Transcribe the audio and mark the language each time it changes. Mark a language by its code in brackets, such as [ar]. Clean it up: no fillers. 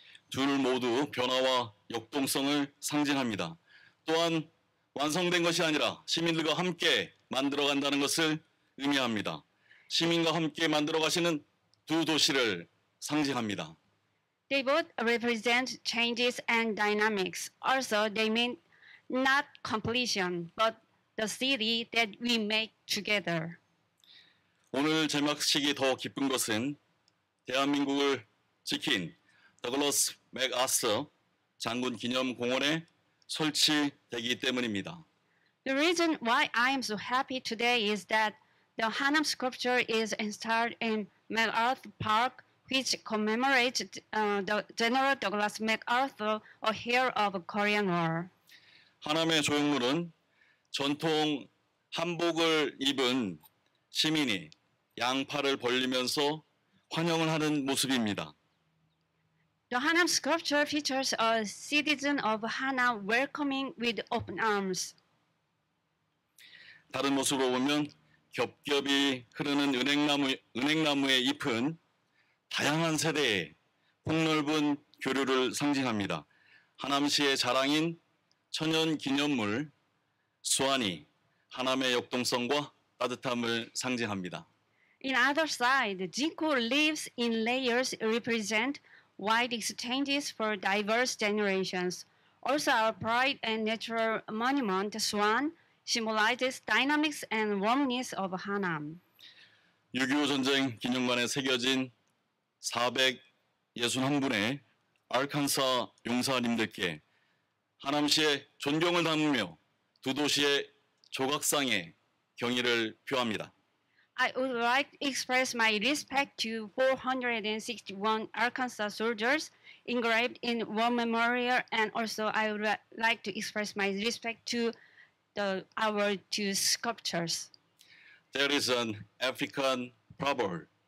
[ko] 둘 모두 변화와 역동성을 상징합니다. 또한 완성된 것이 아니라 시민들과 함께 만들어 간다는 것을 의미합니다. 시민과 함께 만들어 가시는 두 도시를 상징합니다. [en] They both represent changes and dynamics. Also, they mean not completion, but the city that we make together. [ko] 오늘 제막식이 더 기쁜 것은 대한민국을 지킨 더글러스 맥아서 장군 기념공원에 설치되기 때문입니다. [en] The reason why I am so happy today is that the Hanam sculpture is installed in MacArthur Park, which commemorates the General Douglas MacArthur, a hero of Korean War. [ko] 하남의 조형물은 전통 한복을 입은 시민이 양팔을 벌리면서 환영을 하는 모습입니다. [en] The Hanam sculpture features a citizen of Hanam welcoming with open arms. [ko] 다른 모습으로 보면 겹겹이 흐르는 은행나무의 잎은 다양한 세대의 폭넓은 교류를 상징합니다. 하남시의 자랑인 천연 기념물 수완이 하남의 역동성과 따뜻함을 상징합니다. [en] In other side, Jinko leaves in layers represent wide exchanges for diverse generations. Also, our pride and natural monument, Suwan, symbolizes dynamics and warmness of Hanam. [ko] 6.25 전쟁 기념관에 새겨진 461분의 알칸사 용사님들께 하남시의 존경을 담으며 두 도시의 조각상에 경의를 표합니다. [en] I would like to express my respect to 461 Arkansas soldiers engraved in War Memorial, and also I would like to express my respect to our two sculptures. There is an African proverb.